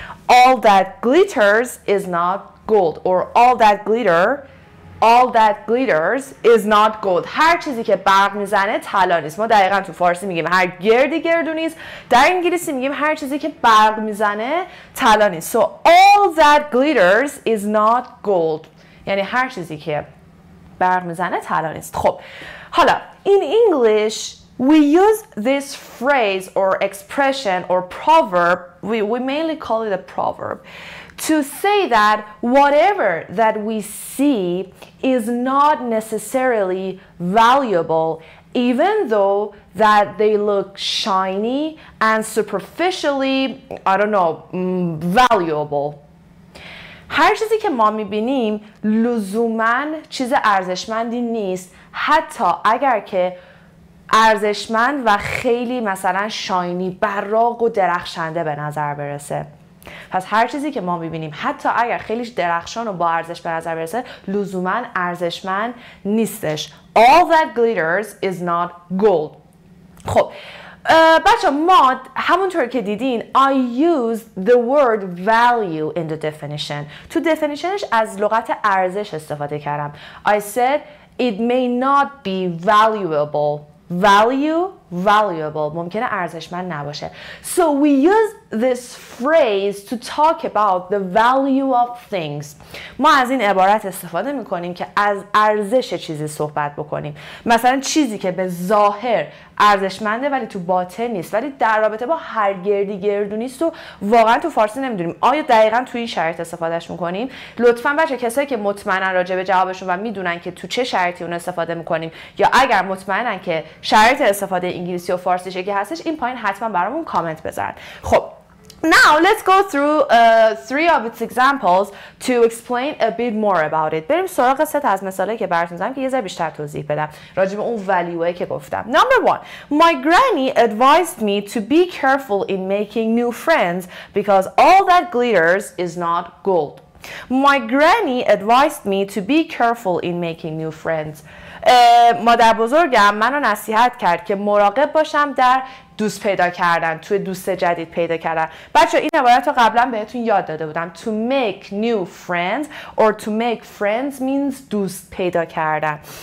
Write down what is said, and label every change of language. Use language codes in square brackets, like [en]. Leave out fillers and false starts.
[en] All that glitters is not gold. Or all that glitters is not gold. [fa] هر چیزی که برق میزنه طلا نیست. ما دقیقا تو فارسی میگیم هر گردی گردو نیست. در انگلیسی میگیم هر چیزی که برق میزنه طلا نیست. [en] So all that glitters is not gold. [fa] یعنی هر چیزی که برق میزنه طلا نیست. خب حالا [en] In English, we use this phrase or expression or proverb, we mainly call it a proverb, to say that whatever that we see is not necessarily valuable, even though that they look shiny and superficially, I don't know, valuable. [fa] هر چیزی که ما میبینیم لزوماً چیز ارزشمندی نیست، حتی اگر که ارزشمند و خیلی مثلا شاینی براق و درخشنده به نظر برسه. پس هر چیزی که ما میبینیم حتی اگر خیلی درخشان و با ارزش به نظر برسه لزوماً ارزشمند نیستش. [en] All that glitters is not gold. [fa] خب بچه ما همونطور که دیدین [en] I use the word value in the definition. [fa] تو definitionش از لغت ارزش استفاده کردم. [en] I said it may not be valuable. [fa] Valuable ممکنه ارزشمند نباشه. [en] So we use this phrase to talk about the value of things. [fa] ما از این عبارت استفاده میکنیم که از ارزش چیزی صحبت بکنیم. مثلا چیزی که به ظاهر ارزشمنده ولی تو باطن نیست، ولی در رابطه با هر گردی گردو نیست و واقعا تو فارسی نمیدونیم آیا دقیقا تو این شرط استفادهش میکنیم. لطفا بچه کسایی که مطمئنن راجع به جوابشون و میدونن که تو چه شرطی اون استفاده میکنیم، یا اگر مطمئنن که شرط استفاده انگلیسی و فارسی چه که هستش، این پایین حتما برامون کامنت بذارن. [en] خب Now let's go through three of its examples to explain a bit more about it. [fa] بریم سراغ سه تا از مثالایی که براتون زدم که یه ذره بیشتر توضیح بدم راجع به اون value که گفتم. [en] Number one, my granny advised me to be careful in making new friends because all that glitters is not gold. My granny advised me to be careful in making new friends. [fa] مادر بزرگم منو نصیحت کرد که مراقب باشم در دوست پیدا کردن، توی دوست جدید پیدا کردن. بچه این عبارت رو قبلا بهتون یاد داده بودم. [en] To make new friends or to make friends means [fa] دوست پیدا کردن.